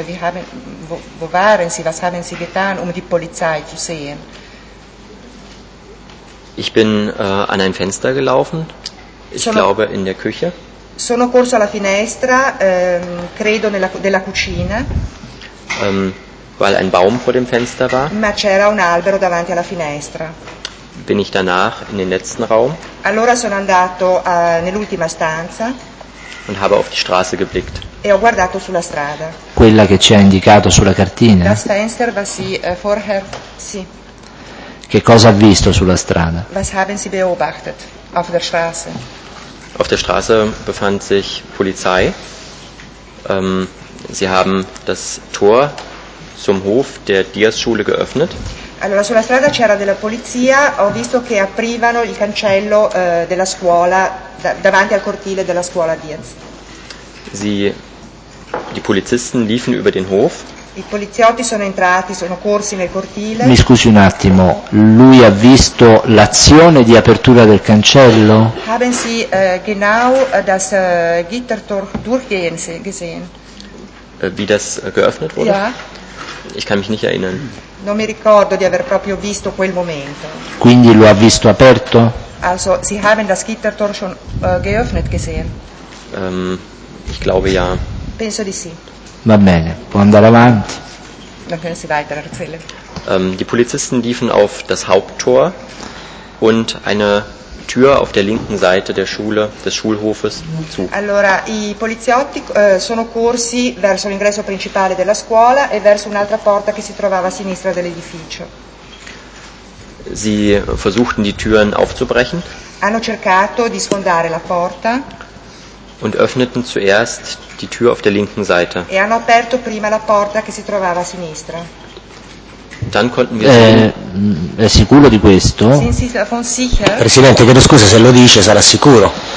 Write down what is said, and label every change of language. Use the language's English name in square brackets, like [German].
[German] Wie haben wo waren Sie? Was haben Sie getan, die Polizei zu sehen? Ich bin an ein Fenster gelaufen. Ich glaube in der Küche. [Italian] Sono corso alla finestra, credo della cucina. [German] Weil ein Baum vor dem Fenster war. [Italian] Ma c'era un albero davanti alla finestra. [German] Bin ich danach in den letzten Raum. [Italian] Allora sono andato nell'ultima stanza. [German] Und habe auf die Straße geblickt. [Italian] E ho guardato sulla strada. Quella che ci ha indicato sulla cartina. [German] Das Fenster, was Sie vorher, sì. [Italian] Che cosa ha visto sulla strada? [German] Was haben Sie beobachtet auf der Straße? Auf der Straße befand sich Polizei. Sie haben das Tor zum Hof der Diaz-Schule geöffnet. [Italian] Allora sulla strada c'era della polizia. Ho visto che aprivano il cancello della scuola davanti al cortile della scuola Diaz. [German] Die Polizisten liefen über den Hof. [Italian] I poliziotti sono entrati, sono corsi nel cortile. Mi scusi un attimo, lui ha visto l'azione di apertura del cancello? [German] Haben Sie genau das Gittertor durchgehen gesehen? Wie das geöffnet wurde? Ja. Ich kann mich nicht erinnern. [Italian] Non mi ricordo di aver proprio visto quel momento. Quindi lo ha visto aperto? [German] Also, Sie haben das Gittertor schon geöffnet gesehen? Ich glaube ja. [Italian] Penso di sì. Va bene, può andare avanti. [German] Dann können Sie weiter erzählen. Die Polizisten liefen auf das Haupttor und eine Tür auf der linken Seite der Schule, des Schulhofes zu. [Italian] Allora, i poliziotti sono corsi verso l'ingresso principale della scuola e verso un'altra porta che si trovava a sinistra dell'edificio. [German] Sie versuchten die Türen aufzubrechen. [Italian] Hanno cercato di sfondare la porta. [German] Und öffneten zuerst die Tür auf der linken Seite. [Italian] E hanno aperto prima la porta che si trovava a sinistra. [German] Dann konnten wir [Italian] È sicuro di questo? Presidente, chiedo scusa, se lo dice sarà sicuro.